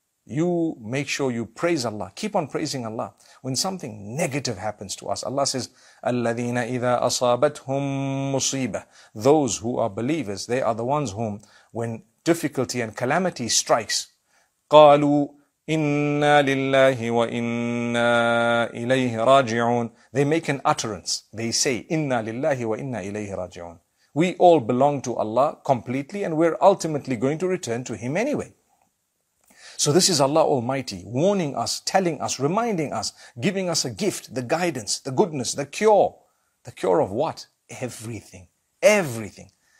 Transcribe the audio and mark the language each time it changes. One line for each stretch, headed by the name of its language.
English: You make sure you praise Allah. Keep on praising Allah. When something negative happens to us, Allah says,
Arabic: الَّذِينَ إِذَا أَصَابَتْهُمْ مُصِيبَةً.
English: Those who are believers, they are the ones whom, when difficulty and calamity strikes,
Arabic: قَالُوا إِنَّا لِلَّهِ وَإِنَّا إِلَيْهِ رَاجِعُونَ.
English: They make an utterance. They say,
Arabic: إِنَّا لِلَّهِ وَإِنَّا إِلَيْهِ رَاجِعُونَ.
English: We all belong to Allah completely, and we're ultimately going to return to Him anyway. So this is Allah Almighty warning us, telling us, reminding us, giving us a gift, the guidance, the goodness, the cure. The cure of what? Everything. Everything.